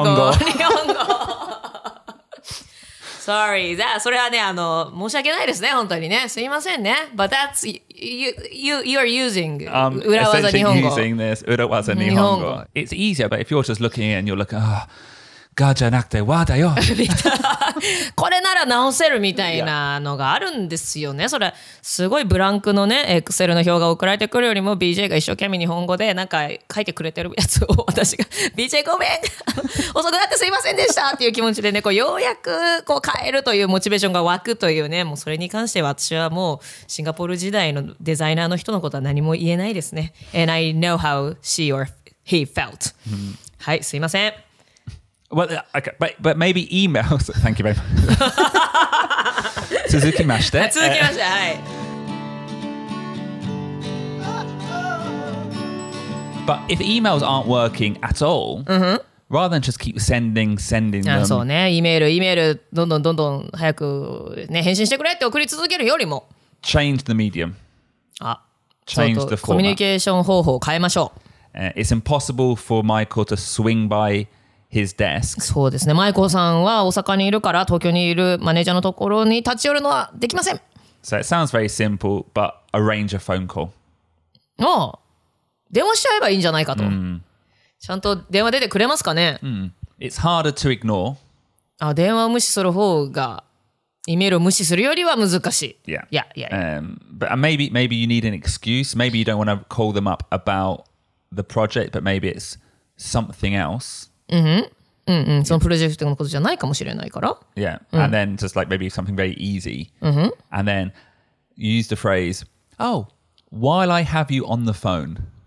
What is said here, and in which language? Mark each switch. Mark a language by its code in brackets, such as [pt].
[ja] 日本語 Sorry だそれはねあの申し訳ないですね本当にねすいませんね [en] But that'sYou are using [ja] 裏技日本語 [en] Essentially using this 裏技日本語 It's easier, but if you're just looking in, you're looking, oh, [ja] がじゃなくて和だよこれなら直せるみたいなのがあるんですよね、yeah. それすごいブランクのね、Excel の表が送られてくるよりも BJ が一生懸命日本語でなんか書いてくれてるやつを私が BJ ごめん遅くなってすいませんでしたっていう気持ちでね、こうようやくこう変えるというモチベーションが湧くというね、もうそれに関しては私はもうシンガポール時代のデザイナーの人のことは何も言えないですね [en] And I know how she or he felt、 [ja] mm. はい、すいません [en] Well, okay, but maybe emails. Thank you very much. [ja] 続きまして。続きまして、はい。 [en] But if emails aren't working at all,、mm-hmm. rather than just keep sending them. [ja] そうね、イメール、どんどんどんどん早くね、返信してくれって送り続けるよりも。 [en] Change the medium. Change the format. [ja] コミュニケーション方法を変えましょう。 [en] It's impossible for Michael to swing by. His desk. [ja] そうですね。マイコさんは大阪にいるから東京にいるマネージャーのところに立ち寄るのはできません。 [en] So it sounds very simple, but arrange a phone call. [ja] ああ、電話しちゃえばいいんじゃないかと。 [en] Mm. [ja] ちゃんと電話出てくれますかね。 Mm. [en] It's harder to ignore. [ja] あ、電話を無視する方が、イメールを無視するよりは難しい。 [en] Yeah, yeah, yeah. yeah. But maybe you need an excuse. Maybe you don't want to call them up about the project, but maybe it's something else. [ja] そのプロジェクトのことじゃないかもしれないから。 [en] Yeah, and then just like maybe something very easy. And then use the phrase, Oh, while I have you on the phone.